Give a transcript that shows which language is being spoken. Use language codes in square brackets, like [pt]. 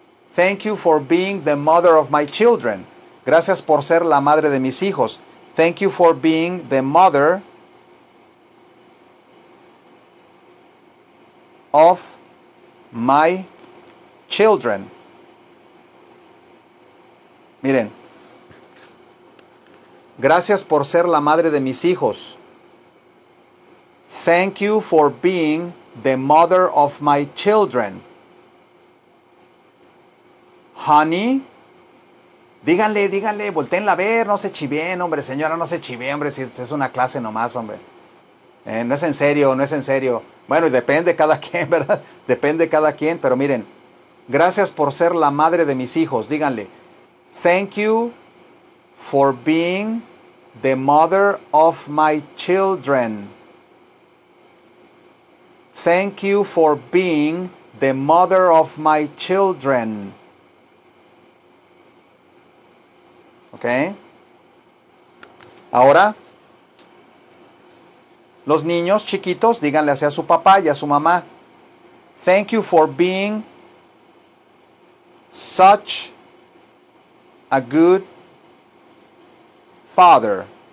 [en] Thank you for being the mother of my children. [es] Gracias por ser la madre de mis hijos. [en] Thank you for being the mother of my children. [es] Miren. Gracias por ser la madre de mis hijos. [en] Thank you for being the mother of my children. [es] Honey. Díganle, volteenla a ver, no se chivien, hombre, señora, no se chivien, hombre, si es una clase nomás, hombre. No es en serio. Bueno, depende cada quien, ¿verdad? Depende cada quien, pero miren, gracias por ser la madre de mis hijos, díganle. [en] Thank you for being the mother of my children. Thank you for being the mother of my children. Okay. [es] Ahora, los niños chiquitos, díganle hacia su papá y a su mamá. [en] Thank you for being such a good father.